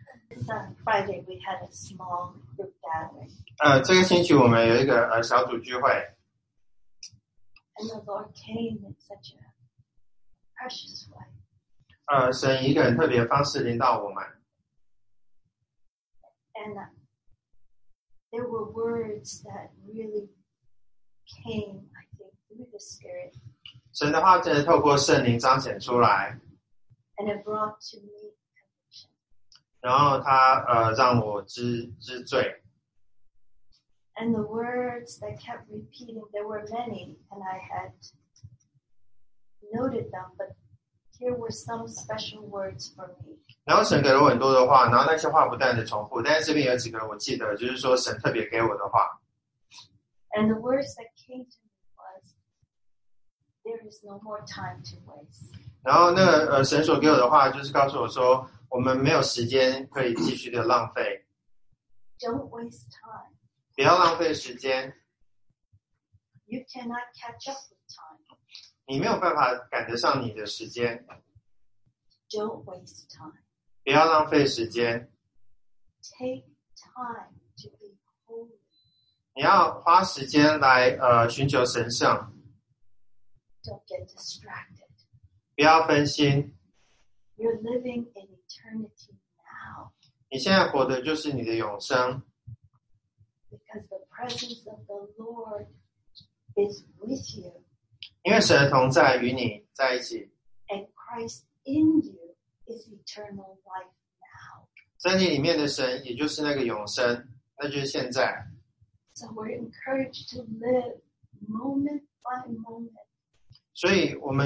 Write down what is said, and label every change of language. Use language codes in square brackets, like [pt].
[en] This Friday we had a small group gathering. [zh] 这个星期我们有一个小组聚会。 [en] And the Lord came in such a precious way. [zh] 神以一个很特别的方式临到我们。 [en] And there were words that really came, I think, through the Spirit. [zh] 神的话真的透过圣灵彰显出来。 [en] And it brought to me conviction. [zh] 然后他让我知罪。 [en] And the words that kept repeating, there were many, and I had noted them, but here were some special words for me. [zh] 然后神给了我很多的话，然后那些话不断的重复，但是这边有几个我记得，就是说神特别给我的话。 [en] And the words that came to me was, there is no more time to waste. [zh] 然后神所给我的话就是告诉我说，我们没有时间可以继续的浪费。 [en] Don't waste time. [zh] 不要浪费时间。 [en] You cannot catch up with time. [zh] 你没有办法赶得上你的时间。 [en] Don't waste time. [zh] 不要浪费时间。 [en] Take time to be holy. [zh] 你要花时间来寻求神圣。 [en] Don't get distracted. [zh] 不要分心。 [en] You're living in eternity now. [zh] 你现在活的就是你的永生。 [en] Because the presence of the Lord is with you. [zh] 因为神的同在与你在一起。 [en] And Christ in you. Is eternal life now. [zh] 在你里面的神，也就是那个永生，那就是现在。 [en] So we're encouraged to live moment by moment.